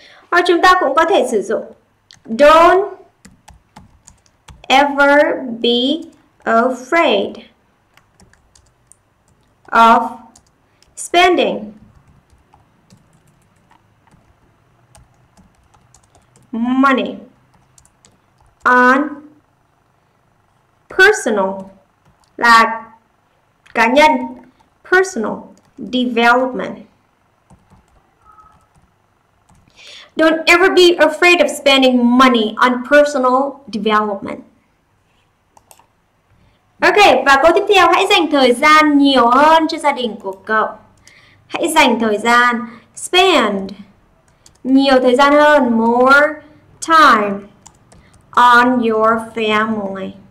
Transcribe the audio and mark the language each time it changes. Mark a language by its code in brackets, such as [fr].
[vi] Hoặc chúng ta cũng có thể sử dụng [en] don't ever be afraid of spending money on personal, [vi] là cá nhân, [en] personal development. Don't ever be afraid of spending money on personal development. [vi] Ok, và câu tiếp theo, hãy dành thời gian nhiều hơn cho gia đình của cậu. Hãy dành thời gian, spend, nhiều thời gian hơn, [en] more time on your family.